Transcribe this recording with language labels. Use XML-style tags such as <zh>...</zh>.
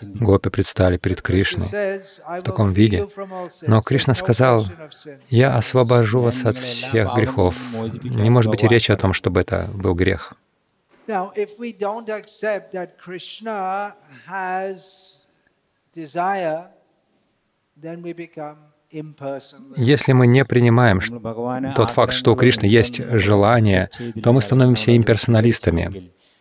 <ru>Гопи предстали перед Кришной в таком виде. Но Кришна сказал, я освобожу вас от всех грехов. Не может быть и речи о том, чтобы это был грех.</ru> <en>Now, if we don't accept that Krishna has desire, then we become impersonal.</en> <ru>Если мы не принимаем тот факт, что у Кришны есть желание, то мы становимся имперсоналистами.</ru>